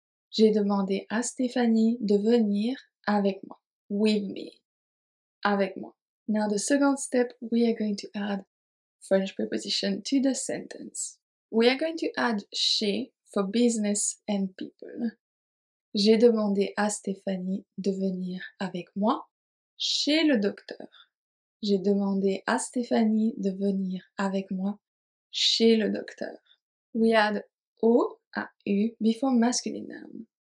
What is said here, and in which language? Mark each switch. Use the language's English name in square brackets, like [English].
[French] J'ai demandé à Stéphanie de venir avec moi. [English] With me. [French] Avec moi. [English] Now the second step, we are going to add French preposition to the sentence. We are going to add chez for business and people. [French] J'ai demandé à Stéphanie de venir avec moi chez le docteur. J'ai demandé à Stéphanie de venir avec moi chez le docteur. [English] We add O à U before masculine noun.